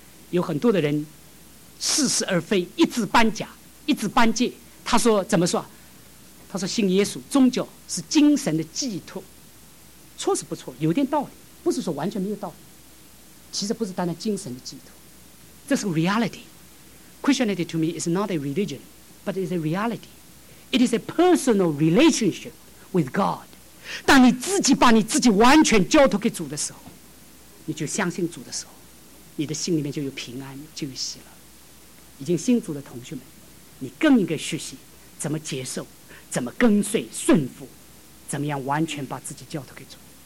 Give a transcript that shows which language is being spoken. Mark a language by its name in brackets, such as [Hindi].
[Chinese] 有很多的人似是而非，一直搬假，一直搬界。他说怎么说？他说信耶稣宗教是精神的寄托，错是不错，有点道理，不是说完全没有道理。其实不是单单精神的寄托，这是 reality。 [English] Christianity to me is not a religion, but it is a reality. It is a personal relationship with God. [Chinese] 当你自己把你自己完全交托给主的时候，你就相信主的时候，你的心里面就有平安，就有喜乐。已经信主的同学们，你更应该学习怎么接受，怎么跟随顺服，怎么样完全把自己交托给主。